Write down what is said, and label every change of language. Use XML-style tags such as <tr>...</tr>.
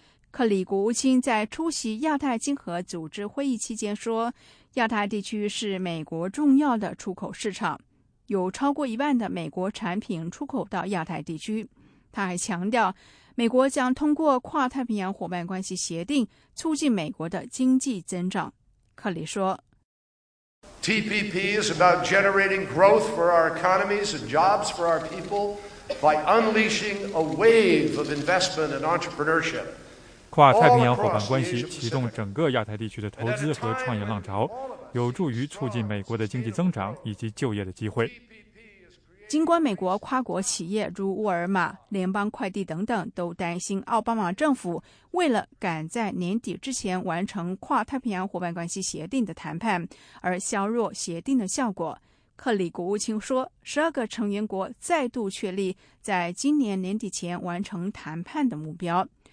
<zh>克里国务卿在出席亚太经合组织会议期间说，亚太地区是美国重要的出口市场，有超过一半的美国产品出口到亚太地区。他还强调，美国将通过跨太平洋伙伴关系协定促进美国的经济增长。克里说，</zh> <en>TPP is about generating growth for our economies and jobs for our people by unleashing a wave of investment and entrepreneurship。</en> <zh>跨太平洋伙伴关系启动整个亚太地区的投资和创业浪潮，有助于促进美国的经济增长以及就业的机会。尽管美国跨国企业如沃尔玛、联邦快递等等都担心奥巴马政府为了赶在年底之前完成跨太平洋伙伴关系协定的谈判而削弱协定的效果，克里国务卿说，十二个成员国再度确立在今年年底前完成谈判的目标。</zh>